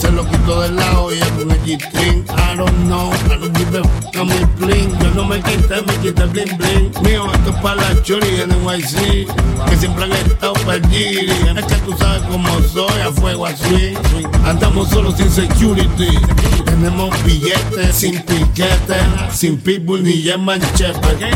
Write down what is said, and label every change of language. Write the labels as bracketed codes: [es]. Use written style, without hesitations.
[es] se lo quito de lado y el G-string. [en] I don't know, I don't give a f*** bling. [es] Yo no me quité bling bling. Mío, esto es pa' la churi en NYC, que siempre han estado perdidos. Es que tú sabes cómo soy, a fuego así. Andamos solos sin security. Tenemos billetes, sin piquetes, sin pitbull ni en manchete.